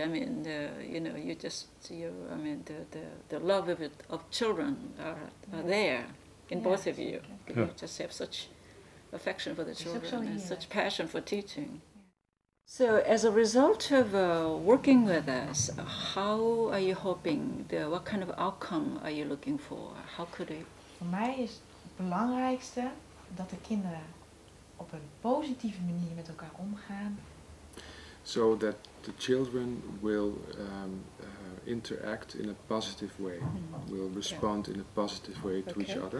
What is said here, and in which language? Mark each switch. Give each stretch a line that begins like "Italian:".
English: I mean, the love of it of children are there in both of you. Okay. You just have such affection for the children and such passion for teaching. So, as a result of working with us, how are you hoping? What kind of outcome are you looking for? How could it?
Dutch: Voor mij is het belangrijkste dat de kinderen op een positieve manier met elkaar omgaan.
English: So that the children will interact in a positive way, will respond in a positive way to each other.